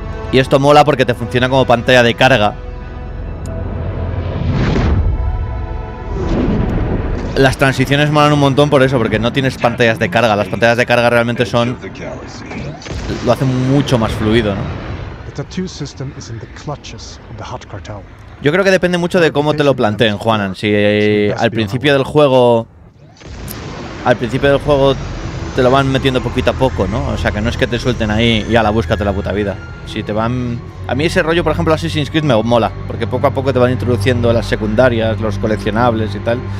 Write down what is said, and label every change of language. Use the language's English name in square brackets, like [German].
[Spanish] Y esto mola porque te funciona como pantalla de carga. Las transiciones molan un montón por eso, porque no tienes pantallas de carga. Las pantallas de carga realmente son... lo hacen mucho más fluido, ¿no? [English] The tattoo system is in the clutches of the Hutt cartel. [Spanish] Yo creo que depende mucho de cómo te lo planteen, Juanan. Si al principio del juego... al principio del juego te lo van metiendo poquito a poco, ¿no? O sea, que no es que te suelten ahí y a la búscate la puta vida. Si te van... a mí ese rollo, por ejemplo, Assassin's Creed me mola. Porque poco a poco te van introduciendo las secundarias, los coleccionables y tal.